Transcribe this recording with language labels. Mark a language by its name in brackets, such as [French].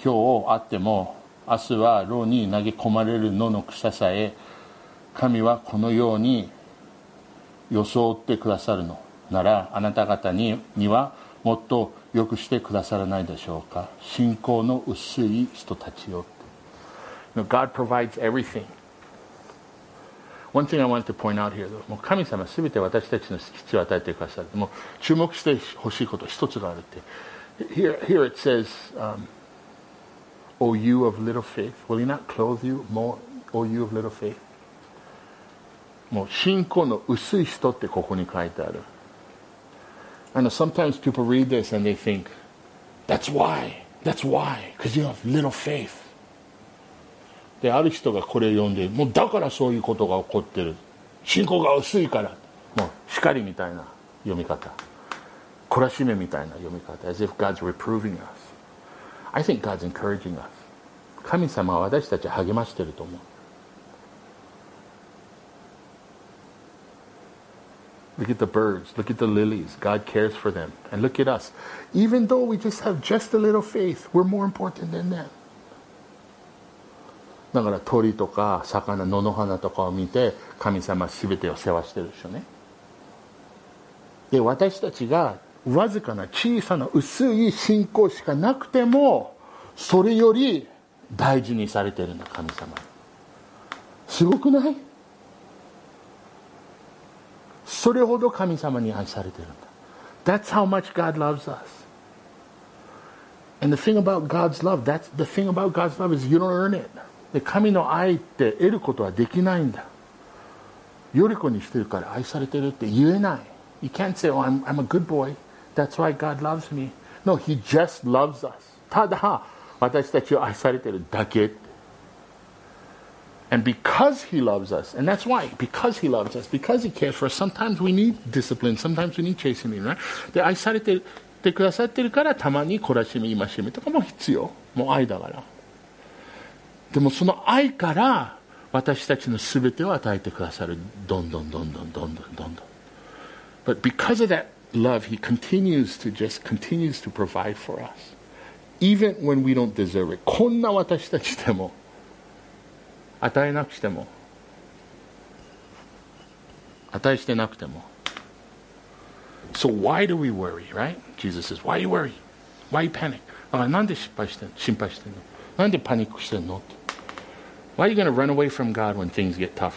[Japanese] 今日会っても明日は牢に投げ込まれる野の草さえ神はこのように装ってくださるのなら、あなた方 にはもっと良くしてくださらないでしょうか。信仰の薄い人たちよ。 [English] Now, God provides everything. One thing I wanted to point out here, though, もう神様すべて私たちの必要を与えてくださる。 [Japanese] もう注目してほしいこと一つがあるって。 [English] Here it says, O you of little faith, will he not clothe you more, O you of little faith? [Japanese] もう信仰の薄い人ってここに書いてある。 [English] I know sometimes people read this and they think, that's why, because you have little faith. [Japanese] で、ある人がこれ読んで、もうだからそういうことが起こってる。信仰が薄いから。もう叱りみたいな読み方。懲らしめみたいな読み方。 [English] As if God's reproving us. I think God's encouraging us. [Japanese] 神様は私たち励ましてると思う。 [English] Look at the birds. Look at the lilies. God cares for them. And look at us. Even though we just have just a little faith, we're more important than them. [Japanese] だから鳥とか魚、野の花とかを見て、神様すべてを世話してるでしょうね。で、私たちがわずかな小さな薄い信仰しかなくても、それより大事にされてるの、神様。すごくない？それほど神様に愛されているんだ。 [English] That's how much God loves us. And the thing about God's love, is you don't earn it. [Japanese] で、神の愛って得ることはできないんだ。より子にしてるから愛されてるって言えない。 [English] You can't say, oh, I'm a good boy. That's why God loves me. No, he just loves us. [Japanese] ただ、私たちを愛されてるだけ。 [English] And because he loves us, and that's why, because he loves us, because he cares for us, sometimes we need discipline, sometimes we need chastening, right? [Japanese] で、愛されてくださってるから、たまに懲らしめ、戒めとかも必要。もう愛だから。でもその愛から、私たちの全てを与えてくださる。どんどんどんどんどんどんどんどん。 [English] But because of that love, he continues to just continues to provide for us. Even when we don't deserve it. [Japanese] こんな私たちでも、与えなくても。 [English] So why do we worry, right? Jesus says, why do you worry? Why do you panic? [Japanese] なんで心配してんの? なんでパニックしてんの? [English] Why are you going to run away from God when things get tough?